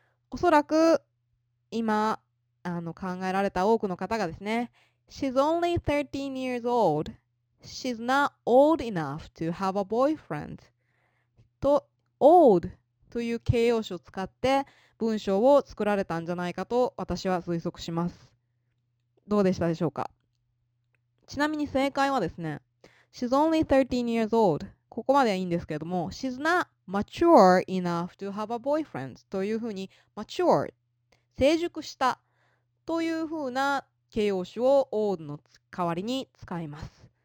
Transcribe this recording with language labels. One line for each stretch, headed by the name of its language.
Japanese: おそらく今考えられた多くの方がですね
English: She's only 13 years old. She's not old enough to have a boyfriend.
Japanese: と old という形容詞を使って文章を作られたんじゃないかと私は推測します。どうでしたでしょうか。ちなみに正解はですね
English: She's only 13 years old.
Japanese: ここまではいいんですけれども
English: She's notmature enough to have a boyfriend
Japanese: というふうに mature 成熟したというふうな形容詞を old の代わりに使います。